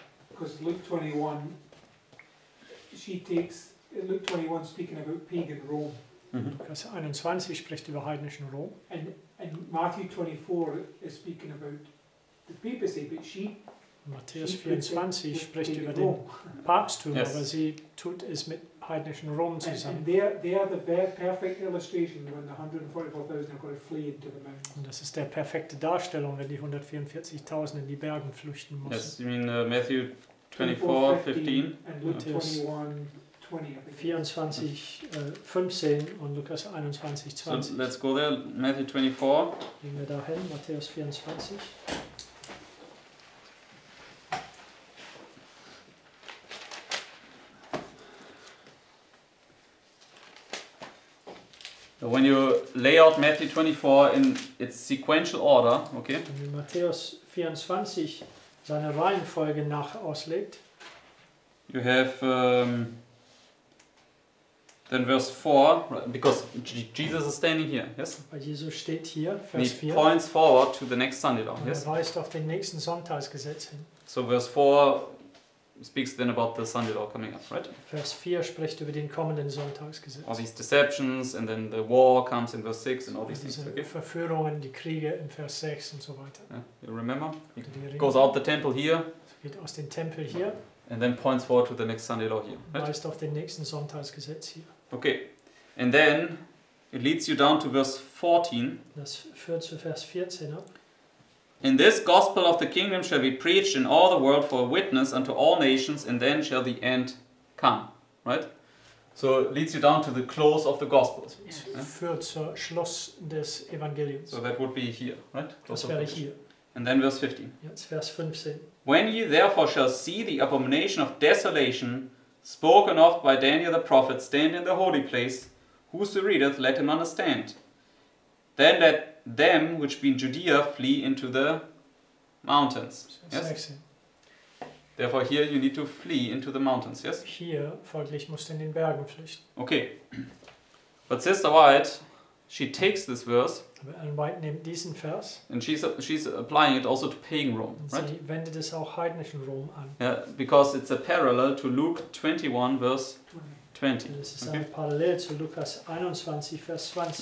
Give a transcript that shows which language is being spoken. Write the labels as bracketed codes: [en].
[en] Because Luke 21, she takes Luke 21 speaking about pagan Rome. [de] Lukas 21 spricht über heidnischen Rom. [en] And Matthew 24 is speaking about the papacy, but she. [de] Matthäus 24 spricht über den Papsttum, [en] yes. [de] Aber sie tut es mit heidnischen Rom zusammen. [en] And they are the perfect illustration when the 144,000 are going to flee into the mountains. [de] Und das ist der perfekte Darstellung, wenn die 144,000 in die Berge flüchten müssen. [en] Yes, you mean Matthew 24:15 and Luke 21:20. [de] 24:15 und Lukas 21:20. [en] So let's go there, Matthew 24. [de] Gehen wir dahin, Matthäus 24. [en] When you lay out Matthew 24 in its sequential order, okay? [de] Wenn man Matthäus 24 seine Reihenfolge nach auslegt, [en] you have then verse 4, because Jesus is standing here, yes? [de] Aber Jesus steht hier, Vers 4. [en] He points forward to the next Sunday law, yes? [de] Er weist auf den nächsten Sonntagsgesetz hin. [en] So verse 4 speaks then about the Sunday law coming up, right? [de] Vers 4 spricht über den kommenden Sonntagsgesetz. [en] All these deceptions and then the war comes in verse 6 and all these things. Okay. [de] Verführungen, die Kriege in Vers 6 und so weiter. [en] Yeah. You remember? He goes out the temple here. [de] So geht aus dem Tempel hier. [en] And then points forward to the next Sunday law here. Right? [de] Weist auf den nächsten Sonntagsgesetz hier. [en] Okay. And then it leads you down to verse 14. [de] Das führt zu Vers 14 ab. [en] And this gospel of the kingdom shall be preached in all the world for a witness unto all nations, and then shall the end come. Right? So it leads you down to the close of the gospel. Yes. [de] Yeah? Führt zur Schluss des Evangeliums. [en] So that would be here, right? [de] Das wäre hier. [en] And then verse 15. [de] Jetzt Vers 15. [en] When ye therefore shall see the abomination of desolation spoken of by Daniel the prophet stand in the holy place, whoso readeth, let him understand. Then let them which be in Judea flee into the mountains. Yes? 16. Therefore here you need to flee into the mountains, yes? [de] Hier folglich musst du in den Bergen flüchten. [en] Okay. But Sister White, she takes this verse. [de] Aber Ellen White nimmt diesen Vers. [en] And she's applying it also to pagan Rome, right? [de] Sie wendet es auch heidnischen Rom an. [en] Yeah, because it's a parallel to Luke 21 verse 20. [de] Das ist okay. Ein Parallel zu Lukas 21 Vers 20.